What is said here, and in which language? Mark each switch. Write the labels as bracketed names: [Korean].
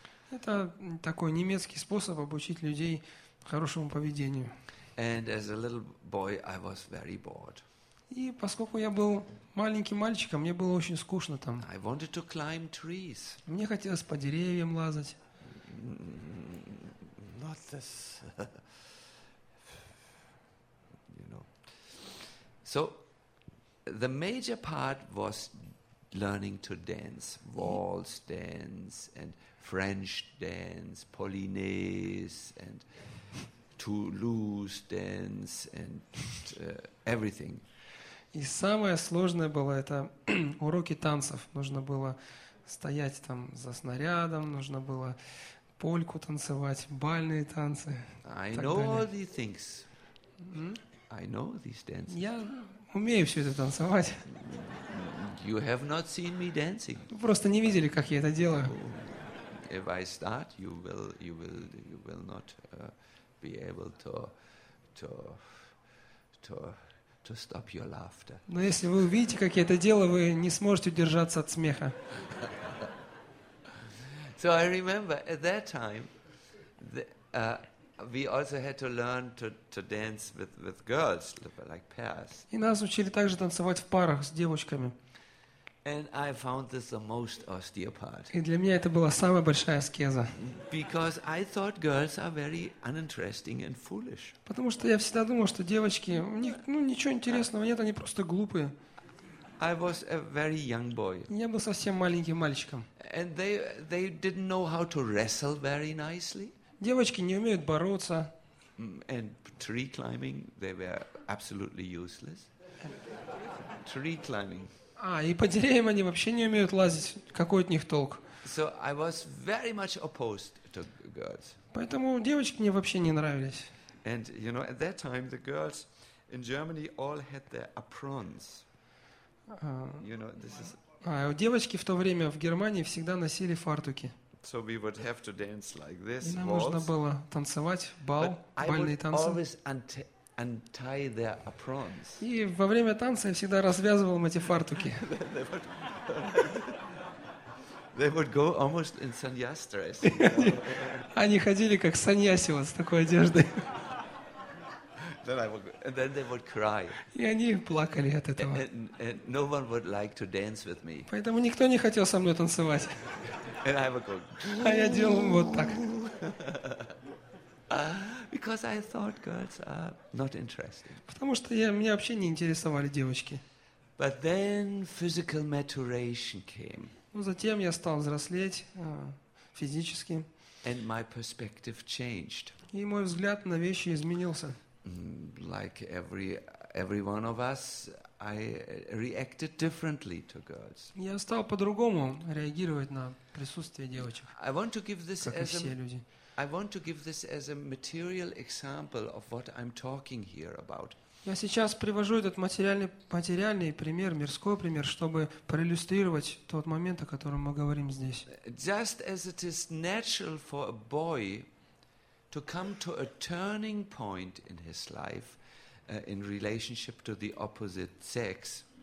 [Russian] Это такой немецкий способ обучить людей хорошему поведению. [English] And as a little boy, I was very bored. [Russian] И поскольку я был маленьким мальчиком, мне было очень скучно там. [English] I wanted to climb trees. [Russian] Мне хотелось по деревьям лазать. [English] Not this. You know. So the major part was learning to dance. Waltz dance and French dance, Polonaise and Toulouse dance and everything. [Russian] И самое сложное было это уроки танцев. Нужно было стоять там за снарядом, нужно было польку танцевать, бальные танцы. [English] I know all these things. I know these dances. [Russian] Я умею все это танцевать. [English] You have not seen me dancing. [Russian] Вы просто не видели, как я это делаю. [English] If I start, you will not be able to stop your laughter. [Russian] Но если вы увидите, как я это делаю, вы не сможете удержаться от смеха. [English] So I remember at that time we also had to learn to dance with girls, like pairs. [Russian] И нас учили также танцевать в парах с девочками. [English] And I found this the most austere part. [Russian] И для меня это была самая большая аскеза. [English] Because I thought girls are very uninteresting and foolish. [Russian] Потому что я всегда думал, что девочки, у них ничего интересного нет, они просто глупые. [English] I was a very young boy. [Russian] Я был совсем маленьким мальчиком. [English] And they didn't know how to wrestle very nicely. [Russian] Девочки не умеют бороться. [English] And tree climbing, they were absolutely useless. Tree climbing. [Russian] А, и по деревьям они вообще не умеют лазить. Какой от них толк? [English] So I was very much opposed to girls. [Russian] Поэтому девочки мне вообще не нравились. [English] And, you know, at that time the girls in Germany all had their aprons. You know, this is... [Russian] А, у девочки в то время в Германии всегда носили фартуки. [English] So we would have to dance like this, [Russian] и нам нужно было танцевать, бальные танцы. [English] Untie their aprons. [Russian] И во время танца я всегда развязывал им эти фартуки. [English] They would go almost in sannyas dress. [Russian] Они ходили как саньяси вот с такой одеждой. [English] Then they would cry. [Russian] И они плакали от этого. [English] And no one would like to dance with me. [Russian] Поэтому никто не хотел со мной танцевать. [English] And I would go. [Russian] А я делал вот так. [English] Because I thought girls are not interesting. [Russian] Потому что меня вообще не интересовали девочки. [English] But then physical maturation came. [Russian] Но затем я стал взрослеть физически. [English] And my perspective changed. [Russian] И мой взгляд на вещи изменился. [English] Like every one of us, I reacted differently to girls. [Russian] Я стал по-другому реагировать на присутствие девочек. [English] I want to give this as a I want to give this as a material example of what I'm talking here about. [Russian] Я сейчас привожу этот материальный пример, мирской пример, чтобы проиллюстрировать тот момент, о котором мы говорим здесь. [English] Just as it is natural for a boy to come to a turning point in his life in relationship to the opposite sex.